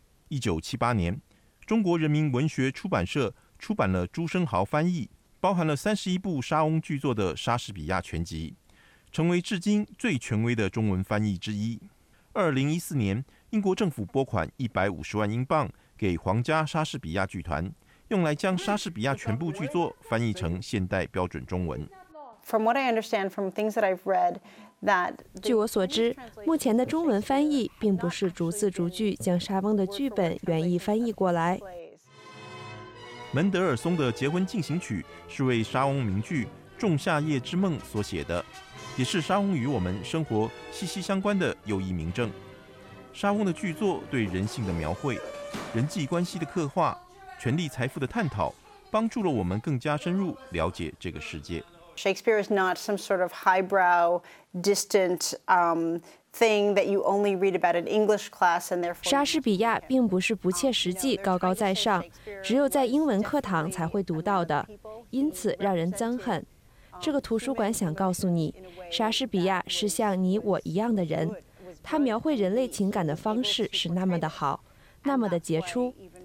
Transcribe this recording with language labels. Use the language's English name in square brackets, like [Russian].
[Chinese] 1978年，中国人民文学出版社出版了朱生豪翻译，包含了31部莎翁剧作的莎士比亚全集，成为至今最权威的中文翻译之一。 2014年，英国政府拨款150万英镑给皇家莎士比亚剧团，用来将莎士比亚全部剧作翻译成现代标准中文。 [English] From what I understand, from things that I've read, that [Chinese] 据我所知，目前的中文翻译并不是逐字逐句将莎翁的剧本原意翻译过来。门德尔松的《结婚进行曲》是为莎翁名剧《仲夏夜之梦》所写的，也是莎翁与我们生活息息相关的又一明证。莎翁的剧作对人性的描绘、人际关系的刻画、权力财富的探讨，帮助了我们更加深入了解这个世界。 [English] Shakespeare is not some sort of highbrow, distant thing that you only read about in English class, and therefore. [Chinese] 莎士比亚并不是不切实际、高高在上，只有在英文课堂才会读到的，因此让人憎恨。这个图书馆想告诉你，莎士比亚是像你我一样的人，他描绘人类情感的方式是那么的好，那么的杰出。